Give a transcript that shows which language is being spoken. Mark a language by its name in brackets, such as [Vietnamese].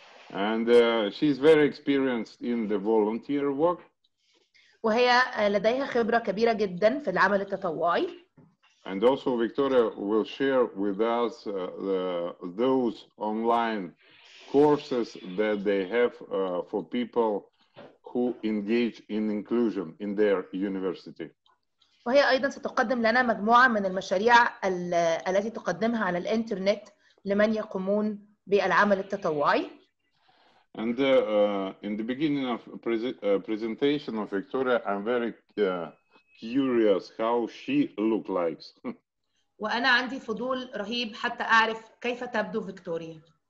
[English] And she is very experienced in the volunteer work. [Arabic] وهي لديها خبرة كبيرة جدا في العمل التطوعي. [English] And also Victoria will share with us those online courses that they have for people who engage in inclusion in their university. [Arabic] وهي أيضا ستقدم لنا مجموعة من المشاريع التي تقدمها على الإنترنت لمن يقومون بالعمل التطوعي. [English] And in the beginning of presentation of Victoria, I'm very curious how she look like. [Arabic] وأنا عندي فضول رهيب حتى أعرف كيف تبدو فيكتوريا.